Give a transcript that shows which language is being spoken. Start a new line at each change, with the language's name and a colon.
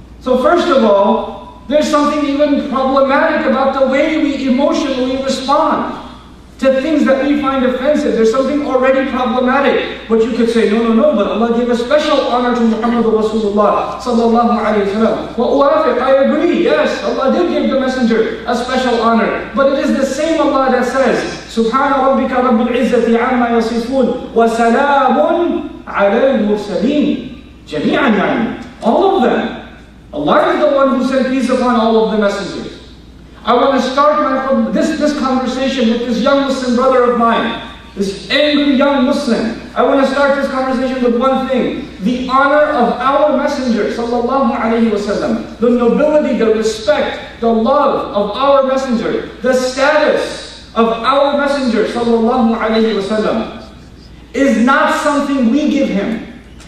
English: So first of all, there's something even problematic about the way we emotionally respond to things that we find offensive. There's something already problematic. But you could say, no, but Allah gave a special honor to Muhammad Rasulullah sallallahu alayhi wa sallam.
Arabic: وَأُوَافِقْ,
English: I agree, yes, Allah did give the messenger a special honor. But it is the same Allah that says,
Arabic: سُبْحَانَ رَبِّكَ رَبِّ الْعِزَّةِ عَمَّا يَصِفُونَ وَسَلَامٌ عَلَى الْمُرْسَلِينَ جَمِيعًا يَعْنِ.
English: All of them. Allah is the one who sent peace upon all of the messengers. I want to start this conversation with this young Muslim brother of mine, this angry young Muslim. I want to start this conversation with one thing: the honor of our messenger, sallallahu alayhi wa sallam, the nobility, the respect, the love of our messenger, the status of our messenger, sallallahu alayhi wa sallam, is not something we give him.